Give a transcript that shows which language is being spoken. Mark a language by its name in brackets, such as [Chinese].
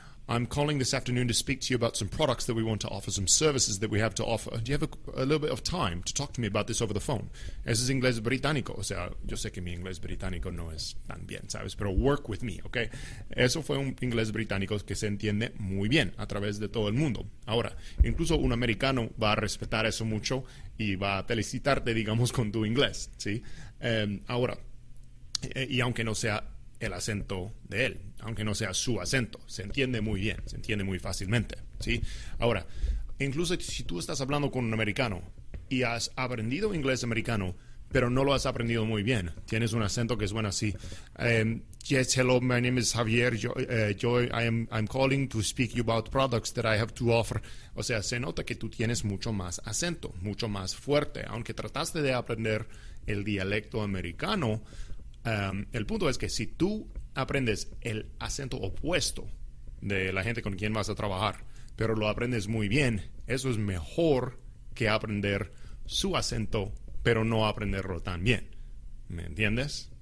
[English] I'm calling this afternoon to speak to you about some products that we want to offer, some services that we have to offer. Do you have a little bit of time to talk to me about this over the phone? [Spanish] Ese es inglés británico. O sea, yo sé que mi inglés británico no es tan bien, ¿sabes? Pero [English] work with me, [Spanish] ¿ok? Eso fue un inglés británico que se entiende muy bien a través de todo el mundo. Ahora, incluso un americano va a respetar eso mucho y va a felicitarte, digamos, con tu inglés, ¿sí? Ahora, y aunque no sea el acento de él, aunque no sea su acento, se entiende muy bien, se entiende muy fácilmente, ¿sí? Ahora, incluso si tú estás hablando con un americano y has aprendido inglés americano, pero no lo has aprendido muy bien, tienes un acento que suena así. [English] Yes, hello, my name is Javier. I'm calling to speak you about products that I have to offer. [Spanish] O sea, se nota que tú tienes mucho más acento, mucho más fuerte. Aunque trataste de aprender el dialecto americano, el punto es que si tú aprendes el acento opuesto de la gente con quien vas a trabajar, pero lo aprendes muy bien, eso es mejor que aprender su acento, pero no aprenderlo tan bien. ¿Me entiendes?